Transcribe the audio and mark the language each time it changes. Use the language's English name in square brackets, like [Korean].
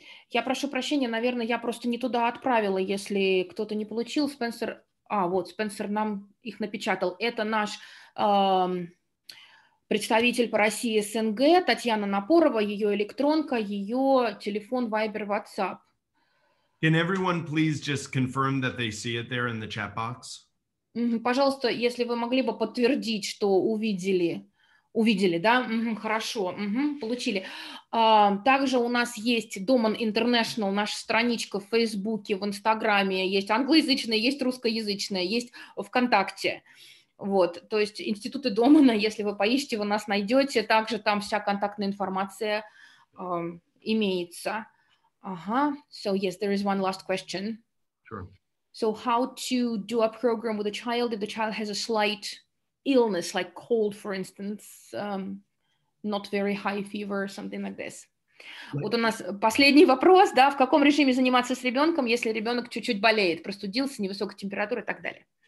[Russian] Я прошу прощения, наверное, я просто не туда отправила, если кто-то не получил. Спенсер, а вот Спенсер нам их напечатал. Это наш представитель по России СНГ Татьяна Напорова, ее электронка, ее телефон, Viber, WhatsApp. [English] Can everyone please just confirm that they see it there in the chat box? Mm-hmm. [Russian] Пожалуйста, если вы могли бы подтвердить, что увидели. Увидели, да? Угу, хорошо, угу, получили. Также у нас есть Domon International, наша страничка в Фейсбуке, в Инстаграме, есть англоязычная, есть русскоязычная, есть ВКонтакте. Вот, то есть институты Домона, если вы поищете, вы нас найдете, также там вся контактная информация имеется. [English] Ага, so yes, there is one last question. Sure. So how to do a program with a child if the child has a slight illness, like cold, for instance, not very high fever, something like this. [Russian] Вот у нас последний вопрос, да, в каком режиме заниматься с ребенком, если ребенок чуть-чуть болеет, простудился, невысокая температура и так далее.